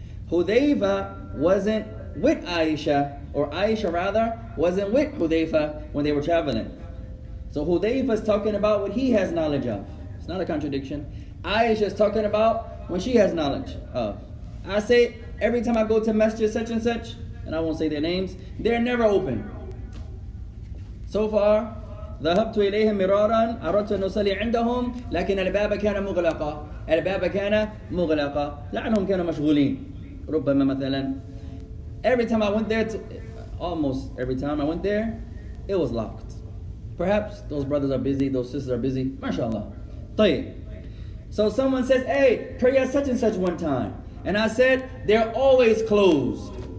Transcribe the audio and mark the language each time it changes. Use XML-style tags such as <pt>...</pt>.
<en>Hudayfa wasn't with Aisha, or Aisha rather, wasn't with Hudayfa when they were traveling. So Hudayfa's talking about what he has knowledge of. It's not a contradiction. Aisha's talking about what she has knowledge of. I say, every time I go to masjid such and such, and I won't say their names, they're never open. So far,</en> <ar>ذهبت إليهم مراراً أردت أن أصلي عندهم لكن الباب كان مغلقاً الباب كان مغلقاً لعنهم كانوا مشغولين ربما مثلاً.</ar> <en>Every time I went there, almost every time I went there, it was locked. Perhaps those brothers are busy, those sisters are busy. MashaAllah.</en> <ar>طيب.</ar> <en>So someone says, hey, pray at such and such one time. And I said, they're always closed.</en>